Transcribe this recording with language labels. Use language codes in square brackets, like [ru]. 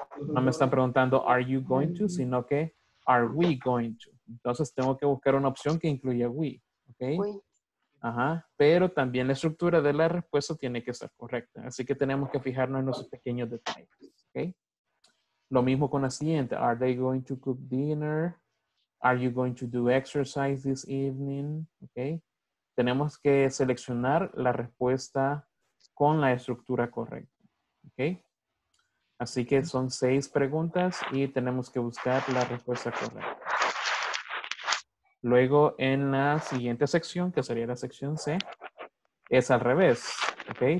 [es] No me están preguntando [en] are you going to, [es] sino que [en] are we going to. [es] Entonces, tengo que buscar una opción que incluya we. ¿Ok? [en] We. Ajá. [es] Pero también la estructura de la respuesta tiene que estar correcta. Así que tenemos que fijarnos en los pequeños detalles. ¿Ok? Lo mismo con la siguiente. [en] Are they going to cook dinner? Are you going to do exercise this evening? Okay. [es] Tenemos que seleccionar la respuesta con la estructura correcta. Okay. Así que son 6 preguntas y tenemos que buscar la respuesta correcta. Luego, en la siguiente sección, que sería la sección C, es al revés. Okay.